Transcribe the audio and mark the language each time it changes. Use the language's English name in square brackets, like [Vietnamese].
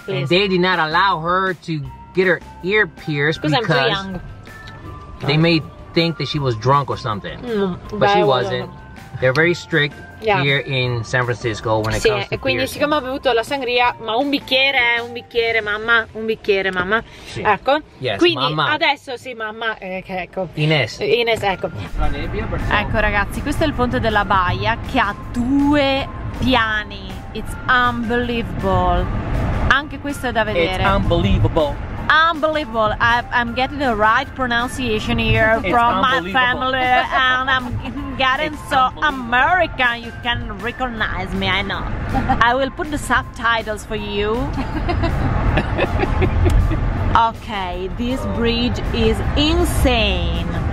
[English] and they did not allow her to get her ear pierced. Cause because I'm too young. They may think that she was drunk or something. But she wasn't. They're very strict here in San Francisco when it comes to [Italian] Quindi siccome ho bevuto la sangria, ma un bicchiere mamma. Sì. Ecco. [English] Yes, [Italian] quindi mamma. Adesso sì, mamma, ecco. Ines, ecco. Ecco ragazzi, questo è il ponte della Baia che ha due piani. [English] It's unbelievable. [Italian] Anche questo è da vedere. [English] It's unbelievable. Unbelievable. I'm getting the right pronunciation here from my family, and I'm getting it's so American. You can recognize me, I know. I will put the subtitles for you. Okay, this bridge is insane.